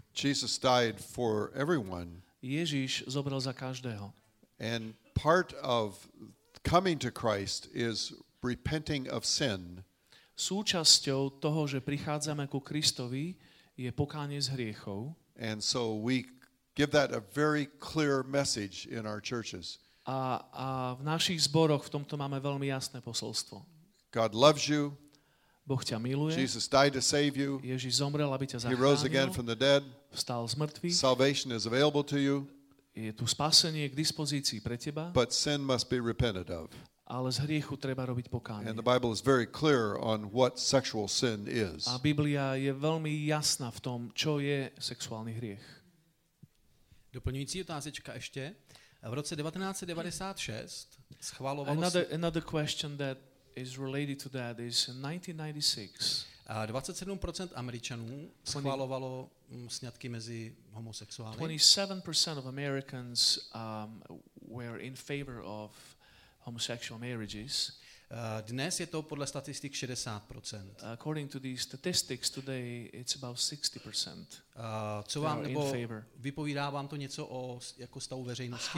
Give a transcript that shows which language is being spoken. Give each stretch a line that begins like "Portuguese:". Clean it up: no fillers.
English: Jesus died for everyone.
Slovak: Ježiš zobral za každého.
English: And part of coming to Christ is repenting of sin.
Slovak: Súčasťou toho, že prichádzame ku Kristovi, je pokánie z hriechov.
English: And so we give that a very clear message in our churches.
Slovak: A v našich zboroch v tomto máme veľmi jasné posolstvo.
English: God loves you.
Slovak: Boh ťa miluje.
English: Jesus died to save you.
Slovak: Ježiš zomrel, aby ťa zachránil.
English: He rose again from the dead.
Slovak: Vstal z mŕtvych.
English: Salvation is available to you.
Slovak: Je tu spasenie k dispozícii pre teba.
English: But sin must be repented of.
Slovak: Ale z hriechu treba robiť pokánie.
English: And the Bible is very clear on what sexual sin is.
Slovak: A Biblia je veľmi jasná v tom, čo je sexuálny hriech. Doplňujúci otázečka ešte.
Czech: V roce 1996 schvalovalo...
English: Another question that is related to that is 1996.
Czech: 27% Američanů schvalovalo sňatky mezi homosexuály.
English: 27% of Americans were in favor of homosexual marriages.
Czech: Dnes je to podle statistik 60%.
English: According to these statistics today it's about 60%.
Czech: Co vám nebo vypovídá vám to něco o jako stavu veřejnosti?